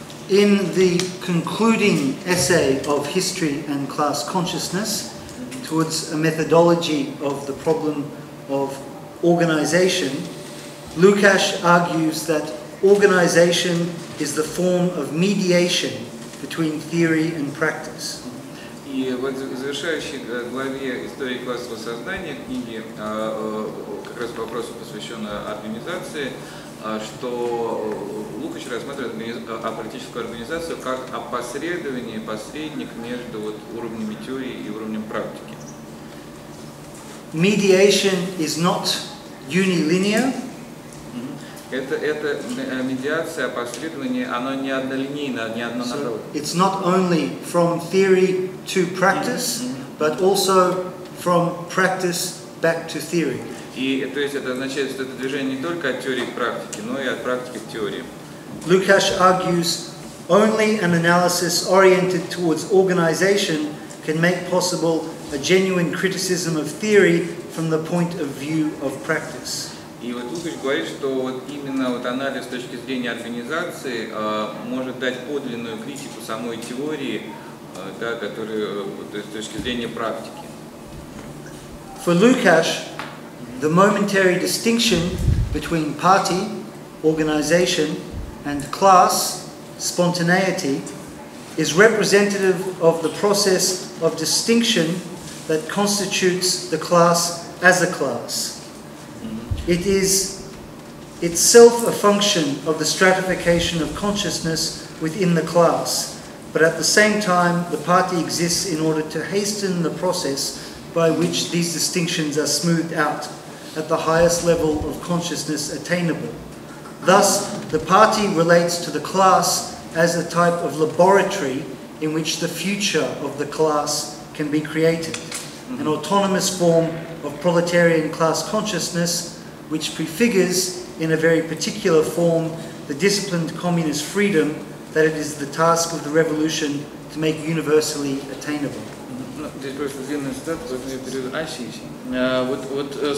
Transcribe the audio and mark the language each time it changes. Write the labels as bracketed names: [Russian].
[English] In the concluding essay of History and Class Consciousness towards a methodology of the problem of organization, Lukacs argues that organization is the form of mediation between theory and practice. [Russian] И вот в завершающей главе «Истории классового сознания» книги как раз вопросу, посвященному организации, что Лукач рассматривает аполитическую организацию как опосредование, посредник между вот уровнями теории и уровнем практики. [English] Mediation is not unilinear. [Russian] Это медиация, опосредование, оно не однолинейно, не однонаправленно. [English] So it's not only from theory to practice, but also from practice back to theory. [Russian] И то есть это означает, что это движение не только от теории к практике, но и от практики к теории. [English] Lukacs argues only an analysis oriented towards organization can make possible a genuine criticism of theory from the point of view of practice. [Russian] И вот Лукач говорит, что вот именно вот анализ с точки зрения организации может дать подлинную критику самой теории, да, которую, то есть с точки зрения практики. [English] For Lukacs, the momentary distinction between party, organization, and class, spontaneity, is representative of the process of distinction that constitutes the class as a class. It is itself a function of the stratification of consciousness within the class, but at the same time, the party exists in order to hasten the process by which these distinctions are smoothed out at the highest level of consciousness attainable. Thus, the party relates to the class as a type of laboratory in which the future of the class can be created, an autonomous form of proletarian class consciousness which prefigures in a very particular form the disciplined communist freedom that it is the task of the revolution to make universally attainable. [Russian] Здесь просто длинный цитат, поэтому я перевожу.